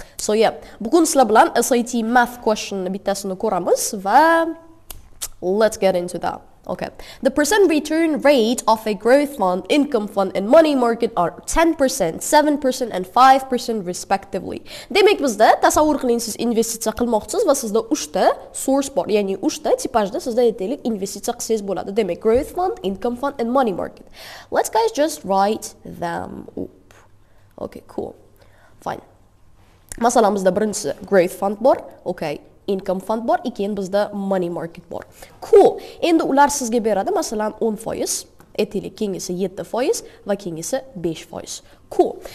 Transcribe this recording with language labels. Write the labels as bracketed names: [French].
[Uzbek] So yeah, bugun sizlar bilan SAT math question bittasini ko'ramiz va [English] let's get into that. [Uzbek] Okay. [English] The percent return rate of a growth fund, income fund and money market are 10%, 7% and 5% respectively. [Uzbek] Demak bizda tasavvur qiling siz investitsiya qilmoqchisiz va sizda 3 ta source bor, ya'ni 3 ta tipajda sizda aytaylik investitsiya qilsangiz bo'ladi. [English] Demak growth fund, income fund and money market. Let's guys just write them up. [Uzbek] Okay, cool. Fine. Masalan bizda birinchisi growth fund bor. Okay. Income fund bor, keyin bizda money market bor. Cool. Endi ular sizga beradi, masalan 10%, aytaylik, keyingisi 7% va keyingisi 5%. Cool.